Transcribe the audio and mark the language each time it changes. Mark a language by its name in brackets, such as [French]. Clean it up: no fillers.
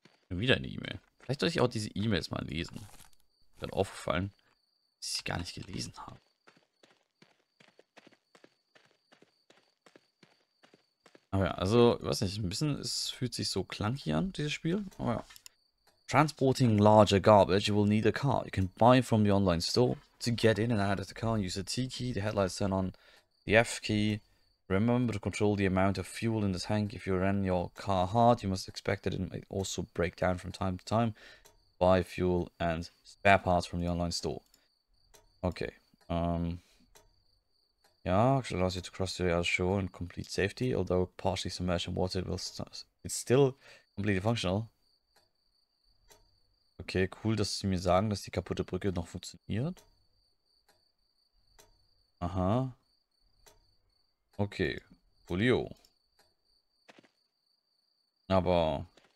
[German] Wieder eine E-Mail. Vielleicht sollte ich auch diese E-Mails mal lesen. Mir hat aufgefallen, dass ich sie gar nicht gelesen habe. Aber ja, also, ich weiß nicht, ein bisschen, es fühlt sich so clunky an, dieses Spiel. Aber ja. [English] Transporting larger garbage, you will need a car. You can buy from the online store. To get in and out of the car, use the T key, the headlights turn on, the F key. Remember to control the amount of fuel in the tank. If you run your car hard, you must expect that it might also break down from time to time. Buy fuel and spare parts from the online store. Okay. Ja, actually allows you to cross the shore in complete safety, although partially submerged in water, it's still completely functional. [German] Okay, cool, dass sie mir sagen, dass die kaputte Brücke noch funktioniert. Aha. Okay, Julio. Aber.